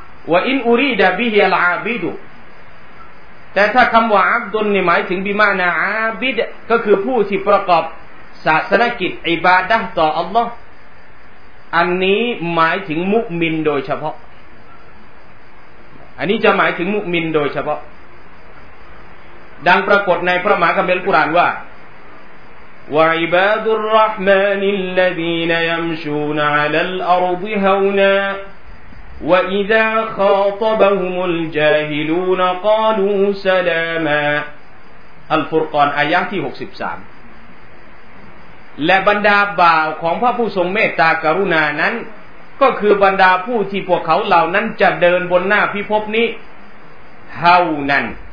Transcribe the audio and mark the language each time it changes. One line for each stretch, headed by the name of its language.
Thai: ว่าอินอุรีดะบิฮิอัลอาบิดุแต่ถ้าคำว่าอับดุลนี่หมายถึงบิมานะอาบิดก็คือผู้ที่ประกอบศาสนกิจอิบาดะห์ต่ออัลลอฮ์อันนี้หมายถึงมุมินโดยเฉพาะอันนี้จะหมายถึงมุมินโดยเฉพาะดังปรากฏในพระมหากัมภีร์อัลกุรอานว่า
Arabic: وعباد الرحمن الذين يمشون على الأرض هونا وإذا خاطبهم الجاهلون قالوا سلاما الفرقان آية 63
Thai: และบรรดาบ่าวของพระผู้ทรงเมตตากรุณานั้นก็คือบรรดาผู้ที่พวกเขาเหล่านั้นจะเดินบนหน้าพิภพนี้เฮานั้น